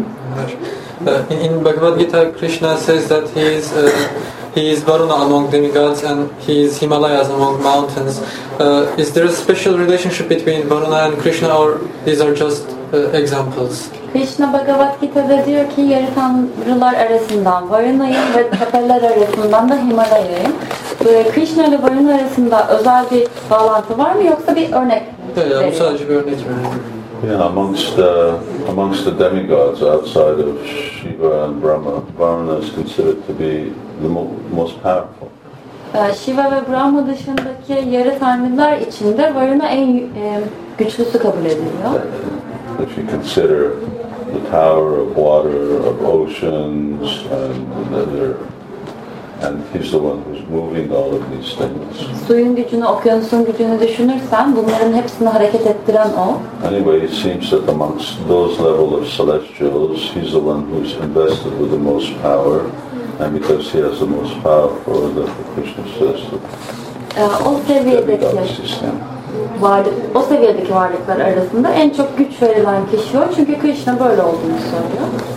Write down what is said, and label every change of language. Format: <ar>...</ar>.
<en>In Bhagavad Gita, Krishna says that he is Varuna among demigods and he is Himalayas among mountains. Is there a special relationship between Varuna and Krishna, or these are just examples?</en> <tr>Krishna Bhagavad Gita'da diyor ki yaratanlar arasından Varuna'yım ve tepeler arasından da Himalaya'yım. Krishna ile Varuna arasında özel bir bağlantı var mı, yoksa bir örnek? Evet, bu sadece bir örnek mi?</tr> <en>Yeah, amongst the demigods outside of Shiva and Brahma, Varuna is considered to be the most powerful.</en> <tr>Shiva ve Brahma dışındaki yarı tanrılar içinde Varuna en güçlüsü kabul ediliyor.</tr> <en>If you consider the power of water, of oceans, and the nether, and he's the one who's moving all of these things.</en> <tr>Suyun gücünü, okyanusun gücünü düşünürsen, bunların hepsini hareket ettiren o.</tr> <en>Anyway, it seems that amongst those level of celestials, he's the one who's invested with the most power, and because he has the most power, for the Krishna says that.</en> <tr>O seviyedeki varlıklar arasında en çok güç verilen kişi o, çünkü Krishna böyle olduğunu söylüyor.</tr>